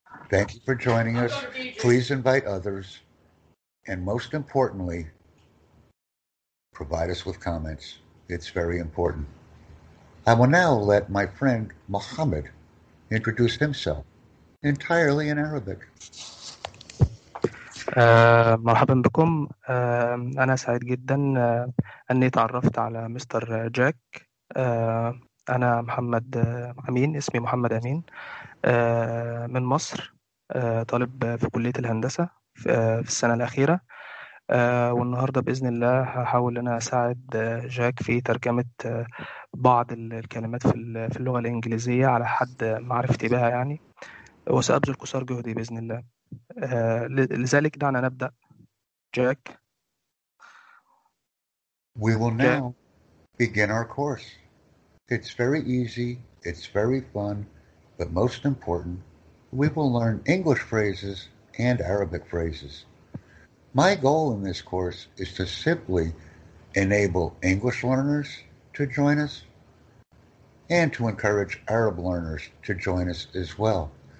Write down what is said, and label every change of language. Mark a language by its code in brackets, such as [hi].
[en] Thank you for joining us. Please invite others. And most importantly, provide us with comments. It's very important. I will now let my friend Mohammed introduce himself entirely in Arabic. [ar] مرحبا بكم أنا سعيد جدا أني تعرفت على مستر جاك أنا محمد أمين اسمي محمد أمين من مصر طالب في كلية الهندسة في السنة الأخيرة والنهاردة بإذن الله هحاول أنا أساعد جاك في ترجمة بعض الكلمات في اللغة الإنجليزية على حد معرفتي بها يعني وسأبذل قصار جهدي بإذن الله لذلك دعنا نبدأ جاك [en] We will now begin our course. It's very easy, it's very fun, but most important, we will learn English phrases and Arabic phrases. My goal in this course is to simply enable English learners to join us and to encourage Arab learners to join us as well.